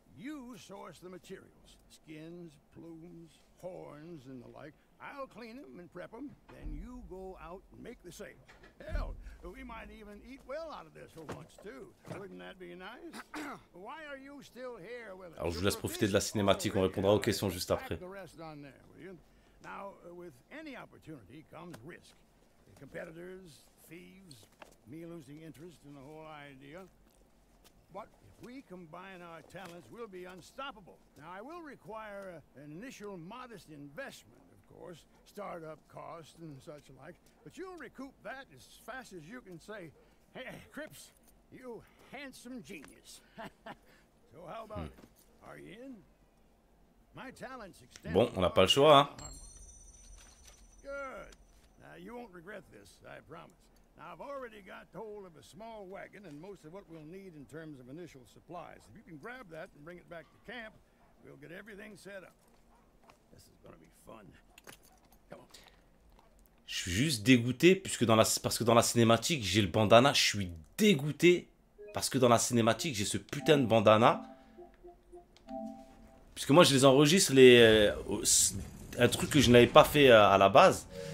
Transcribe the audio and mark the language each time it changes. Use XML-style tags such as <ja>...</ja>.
<en>You source the materials, skins, plumes, horns, and the like. I'll clean them and prep them, then you go out and make the sale. Hell, we might even eat well out of this for once, too. Wouldn't that be nice? Why are you still here with us?</en> <fr>Alors, je vous laisse profiter de la cinématique, on répondra aux questions juste après.</fr> <en>The rest on there, will you? Now, with any opportunity comes risk. Competitors, thieves, me losing interest in the whole idea. But if we combine our talents, we'll be unstoppable. Now, I will require an initial modest investment, of course, startup costs and such like. But you'll recoup that as fast as you can say, Hey, Crips, you handsome genius. So how about it? Are you in? My talents extend.</en> <fr>Bon, on n'a pas le choix, hein.</fr> <en>Good. Now, you won't regret this, I promise. Now, I've already got hold of a small wagon and most of what we'll need in terms of initial supplies. If you can grab that and bring it back to camp, we'll get everything set up. This is gonna be fun. Come on.</en> <fr>Je suis juste dégoûté puisque dans la, parce que dans la cinématique, j'ai le bandana. Je suis dégoûté parce que dans la cinématique, j'ai ce putain de bandana. Puisque moi, je les enregistre, les, un truc que je n'avais pas fait à la base.</fr>